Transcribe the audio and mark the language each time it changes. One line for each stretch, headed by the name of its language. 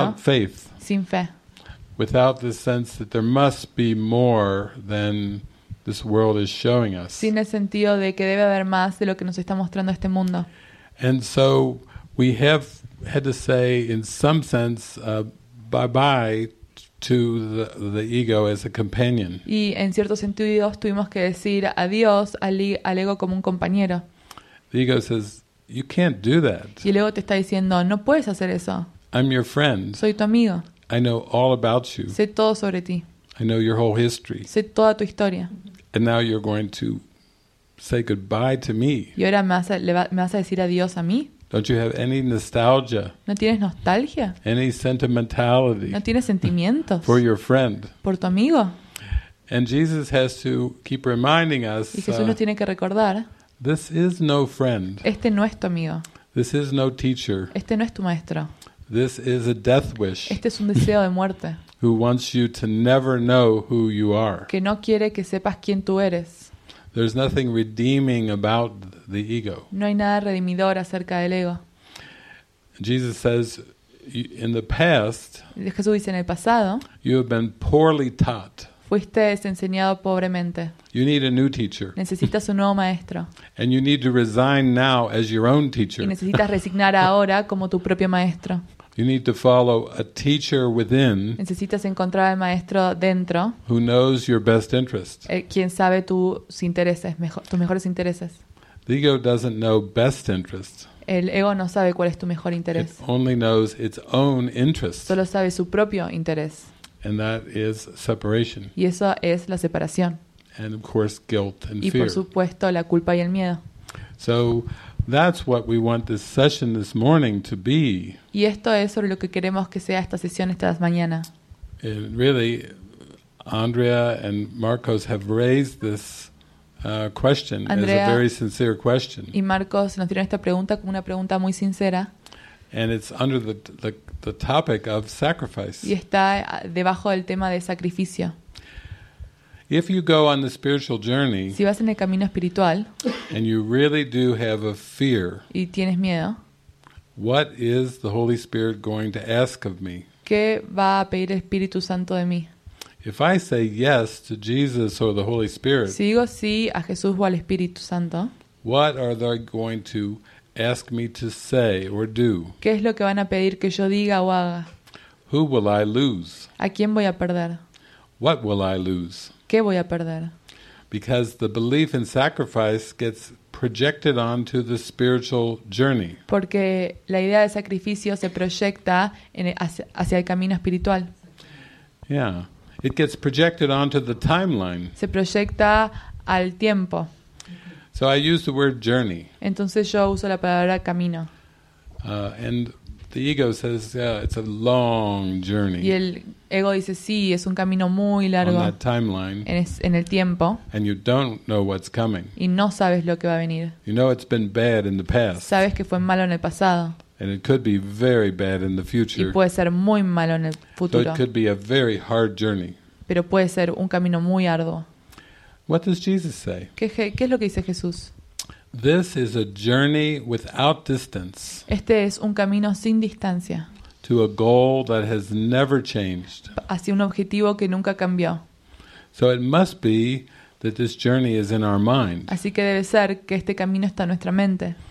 English: Without faith.
Spanish: Sin fe.
English: Without the sense that there must be more than this world is showing us.
Spanish: Sin el sentido de que debe haber más de lo que nos está mostrando este mundo.
English: And so we have had to say, in some sense, bye-bye to the ego as a companion.
Spanish: Y en cierto sentido tuvimos que decir adiós al ego como un compañero.
English: The ego says, you can't do that.
Spanish: Y el ego te está diciendo, no puedes hacer eso.
English: I'm your friend.
Spanish: Soy tu amigo.
English: I know all about you.
Spanish: Sé todo sobre ti.
English: I know your whole history.
Spanish: Sé toda tu historia.
English: And now you're going to say goodbye to me.
Spanish: Y ahora me vas a decir adiós a mí.
English: Don't you have any nostalgia?
Spanish: ¿No tienes nostalgia?
English: Any sentimentality?
Spanish: ¿No tienes sentimientos?
English: For your friend?
Spanish: ¿Por tu amigo?
English: And Jesus has to keep reminding us.
Spanish: Y Jesús nos tiene que recordar.
English: This is no friend.
Spanish: Este no es tu amigo.
English: This is no teacher.
Spanish: Este no es tu maestro.
English: This is a death wish.
Spanish: Este es un deseo de muerte.
English: Who wants you to never know who you are?
Spanish: Que no quiere que sepas quién tú eres.
English: There's nothing redeeming about the ego.
Spanish: No hay nada redimidor acerca del ego.
English: Jesus says, in the past,
Spanish: Jesús dice en el pasado,
English: you have been poorly taught.
Spanish: Fuiste enseñado pobremente.
English: You need a new teacher.
Spanish: Necesitas un nuevo maestro.
English: And you need to resign now as your own teacher.
Spanish: Y necesitas resignar ahora como tu propio maestro.
English: You need to follow a teacher within.
Spanish: Necesitas encontrar al maestro dentro.
English: Who knows your best interests?
Spanish: Quien sabe tus intereses, tus mejores intereses.
English: The ego doesn't know best interests.
Spanish: El ego no sabe cuál es tu mejor interés.
English: It only knows its own interests.
Spanish: Solo sabe su propio interés.
English: And that is separation.
Spanish: Y eso es la separación.
English: And of course, guilt and fear.
Spanish: Y por supuesto, la culpa y el miedo.
English: So that's what we want this session this morning to be.
Spanish: Y esto es sobre lo que queremos que sea esta sesión esta mañana.
English: And really, Andrea and Marcos have raised this question
Spanish: Andrea
English: as a very sincere question.
Spanish: Y Marcos nos dieron esta pregunta como una pregunta muy sincera.
English: And it's under the topic of sacrifice.
Spanish: Y está debajo del tema de sacrificio.
English: If you go on the spiritual journey,
Spanish: si vas en el camino espiritual,
English: and you really do have a fear,
Spanish: y tienes miedo,
English: what is the Holy Spirit going to ask of me?
Spanish: ¿Qué va a pedir el Espíritu Santo de mí?
English: If I say yes to Jesus or the Holy Spirit,
Spanish: si digo sí a Jesús o al Espíritu Santo,
English: what are they going to ask me to say or do?
Spanish: ¿Qué es lo que van a pedir que yo diga o haga?
English: Who will I lose?
Spanish: ¿A quién voy a perder?
English: What will I lose?
Spanish: ¿Qué voy a perder?
English: Because the belief in sacrifice gets projected onto the spiritual journey.
Spanish: Porque la idea de sacrificio se proyecta hacia el camino espiritual.
English: Yeah, it gets projected onto the timeline.
Spanish: Se proyecta al tiempo.
English: So I use the word journey.
Spanish: Entonces yo uso la palabra camino.
English: And the ego says, yeah, it's a long journey.
Spanish: Y el ego dice, sí, es un camino muy largo.
English: On that timeline.
Spanish: En el tiempo.
English: And you don't know what's coming.
Spanish: Y no sabes lo que va a venir.
English: You know it's been bad in the past.
Spanish: Sabes que fue malo en el pasado.
English: And it could be very bad in the future.
Spanish: Y puede ser muy malo en el futuro.
English: So it could be a very hard journey.
Spanish: Pero puede ser un camino muy arduo.
English: What does Jesus say?
Spanish: ¿Qué es lo que dice Jesús?
English: This is a journey without distance.
Spanish: Este es un camino sin distancia.
English: To a goal that has never changed.
Spanish: Hacia un objetivo que nunca cambió.
English: So it must be that this journey is in our mind.
Spanish: Así que debe ser que este camino está en nuestra mente.